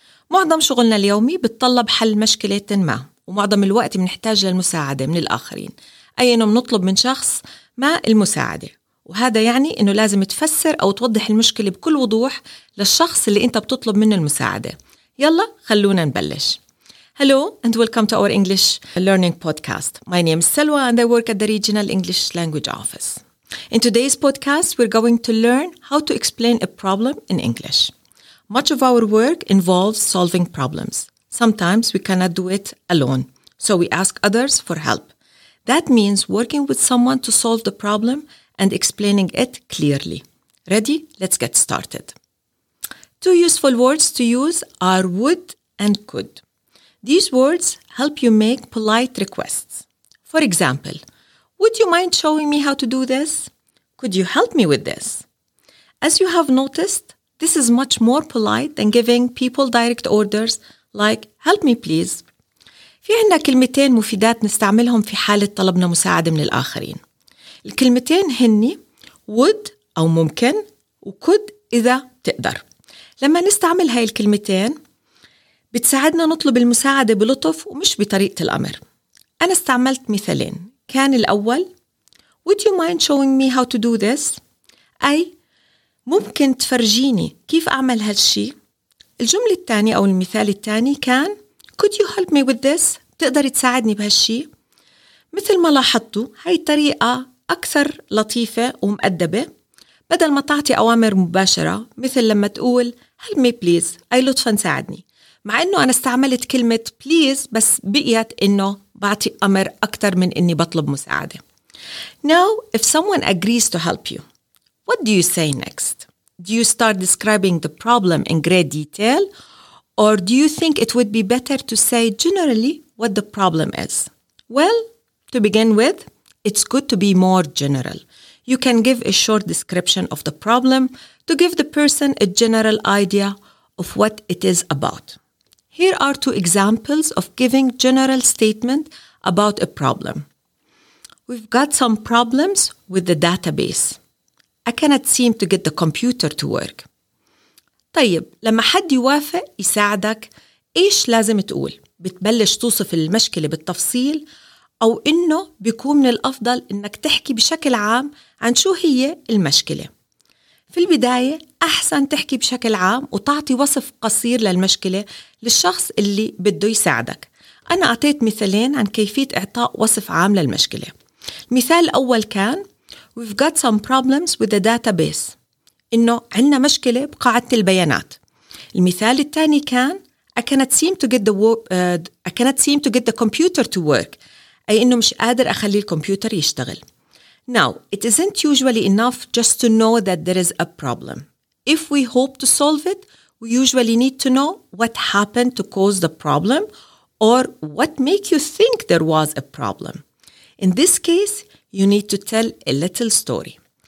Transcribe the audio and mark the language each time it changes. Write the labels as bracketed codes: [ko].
[ar] معظم شغلنا اليومي بتطلب حل مشكلة ما، ومعظم الوقت بنحتاج للمساعدة من الآخرين، أي أنه بنطلب من شخص ما المساعدة، وهذا يعني أنه لازم تفسر أو توضح المشكلة بكل وضوح للشخص اللي أنت بتطلب منه المساعدة. يلا خلونا نبلش. [en] Hello and welcome to our English learning podcast. My name is Selwa and I work at the Regional English Language Office. In today's podcast, we're going to learn how to explain a problem in English. Much of our work involves solving problems. Sometimes we cannot do it alone, so we ask others for help. That means working with someone to solve the problem and explaining it clearly. Ready? Let's get started. Two useful words to use are would and could. These words help you make polite requests. For example, would you mind showing me how to do this? Could you help me with this? As you have noticed, this is much more polite than giving people direct orders like help me please. [ar] في عندنا كلمتين مفيدات نستعملهم في حالة طلبنا مساعدة من الآخرين. الكلمتين هني would أو ممكن و could إذا تقدر. لما نستعمل هاي الكلمتين بتساعدنا نطلب المساعدة بلطف ومش بطريقة الأمر. أنا استعملت مثالين. كان الأول [en] Would you mind showing me how to do this؟ [ar] أي ممكن تفرجيني كيف أعمل هالشي؟ الجملة الثانية أو المثال الثاني كان [en] Could you help me with this؟ [ar] تقدر تساعدني بهالشي؟ مثل ما لاحظتوا هاي طريقة أكثر لطيفة ومؤدبة بدل ما تعطي أوامر مباشرة مثل لما تقول [en] Help me please [ar] أي لطفا ساعدني، مع أنه أنا استعملت كلمة please بس بقيت أنه بعطي أمر أكتر من أني بطلب مساعدة. [en] Now, if someone agrees to help you, what do you say next? Do you start describing the problem in great detail or do you think it would be better to say generally what the problem is? Well, to begin with, it's good to be more general. You can give a short description of the problem to give the person a general idea of what it is about. Here are two examples of giving general statement about a problem. We've got some problems with the database. I cannot seem to get the computer to work. [ar] طيب لما حد يوافق يساعدك ايش لازم تقول؟ بتبلش توصف المشكلة بالتفصيل او انه بيكون من الافضل انك تحكي بشكل عام عن شو هي المشكلة؟ في البداية أحسن تحكي بشكل عام وتعطي وصف قصير للمشكلة للشخص اللي بده يساعدك. أنا أعطيت مثالين عن كيفية إعطاء وصف عام للمشكلة. المثال الأول كان [en] We've got some problems with the database. [ar] إنه عندنا مشكلة بقاعدة البيانات. المثال الثاني كان [en] I cannot seem to get the computer to work. [ar] أي إنه مش قادر أخلي الكمبيوتر يشتغل. [en] Now, it isn't usually enough just to know that there is a problem. If we hope to solve it, we usually need to know what happened to cause the problem or what make you think there was a problem. In this case, you need to tell a little story.